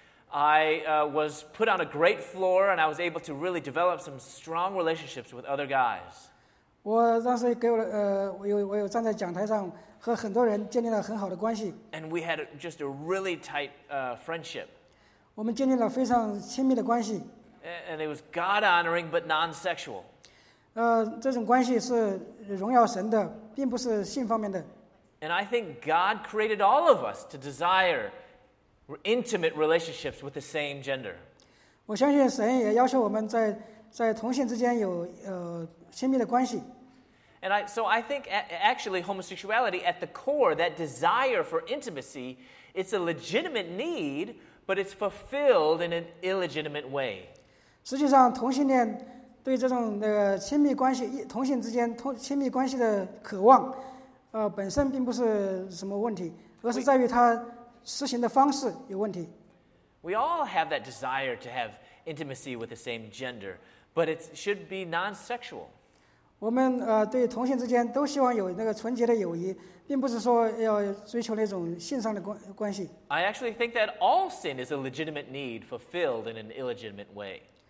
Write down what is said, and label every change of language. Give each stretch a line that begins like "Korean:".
English: I was put on a great floor, and I was able to really develop some strong relationships with other guys.
Chinese: 我当时给我我有站在讲台上和很多人建立了很好的关系。
English: And we had just a really tight friendship.
Chinese: 我们建立了非常亲密的关系。
English: And it was God honoring but non-sexual.
Chinese: 这种关系是荣耀神的，并不是性方面的。
English: And I think God created all of us to desire intimate relationships with the same gender.
Chinese: 我相信神也要求我们在同性之间有亲密的关系。
English: And I think actually homosexuality at the core, that desire for intimacy, it's a legitimate need, but it's fulfilled in an illegitimate way.
Chinese: 实际上，同性恋对这种亲密关系，同性之间亲密关系的渴望，本身并不是什么问题，而是在于它实行的方式有问题。
English: We all have that desire to have intimacy with the same gender. But it should be non-sexual.
Chinese: 我们对同性之间都希望有那个纯洁的友谊，并不是说要追求那种性上的关系。
English: I actually think that all sin is a legitimate need fulfilled in an illegitimate way.